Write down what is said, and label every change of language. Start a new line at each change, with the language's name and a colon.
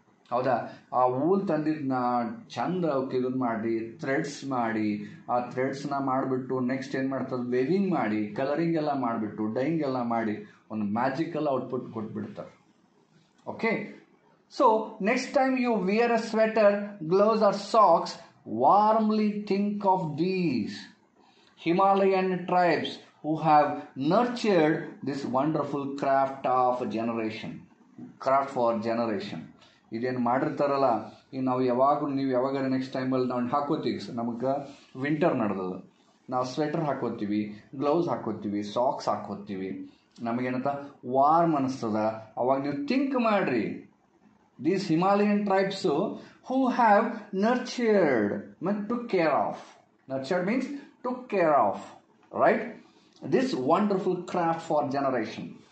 Kannada: ಹೌದಾ, ಆ ಊಲ್ ತಂದಿದ್ದನ್ನ ಚಂದ ಕಿದನ್ ಮಾಡಿ ಥ್ರೆಡ್ಸ್ ಮಾಡಿ ಆ ಥ್ರೆಡ್ಸ್ನ ಮಾಡಿಬಿಟ್ಟು ನೆಕ್ಸ್ಟ್ ಏನು ಮಾಡ್ತದೆ ವೇವಿಂಗ್ ಮಾಡಿ ಕಲರಿಂಗ್ ಎಲ್ಲ ಮಾಡಿಬಿಟ್ಟು ಡೈಯಿಂಗ್ ಎಲ್ಲ ಮಾಡಿ ಒಂದು ಮ್ಯಾಜಿಕಲ್ ಔಟ್ಪುಟ್ ಕೊಟ್ಬಿಡ್ತಾರೆ.
English: Okay, so next time you wear a sweater, gloves or socks, warmly think of these Himalayan tribes who have nurtured this wonderful craft of generation, craft for generation.
Kannada: ಇದೇನು ಮಾಡಿರ್ತಾರಲ್ಲ, ಈಗ ನಾವು ಯಾವಾಗಲೂ ನೀವು ಯಾವಾಗ ನೆಕ್ಸ್ಟ್ ಟೈಮಲ್ಲಿ ನಾವು ಹಾಕೋತೀವಿ, ನಮಗೆ ವಿಂಟರ್ ನಡೆದದು, ನಾವು ಸ್ವೆಟರ್ ಹಾಕೋತೀವಿ, ಗ್ಲೌಸ್ ಹಾಕೋತೀವಿ, ಸಾಕ್ಸ್ ಹಾಕೋತೀವಿ, ನಮಗೇನಂತ ವಾರ್ಮ್ ಅನ್ನಿಸ್ತದೆ. ಅವಾಗ ನೀವು ಥಿಂಕ್ ಮಾಡಿರಿ,
English: These Himalayan tribes who have nurtured ಮತ್ತು took care of, nurtured means took care of right this wonderful craft for generation.